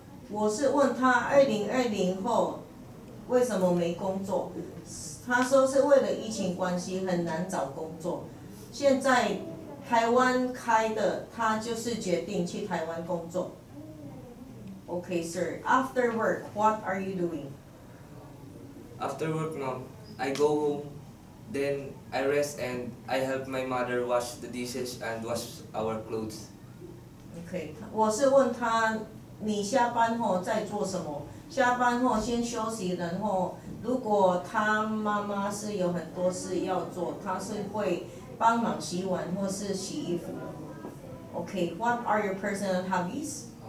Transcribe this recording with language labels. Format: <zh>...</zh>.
<zh>我是问他2020后, 为什么没工作? 他说是为了疫情关系, 很难找工作。现在台湾开的, 他就是决定去台湾工作。</zh> <en>Okay, sir. After work, what are you doing? After work, Mom, I go home, then I rest and I help my mother wash the dishes and wash our clothes.</en> <zh>Okay, 我是问他你下班后在做什么，下班后先休息，然后如果他妈妈是有很多事要做，他是会帮忙洗碗或是洗衣服。</zh> <en>Okay, what are your personal hobbies?</en>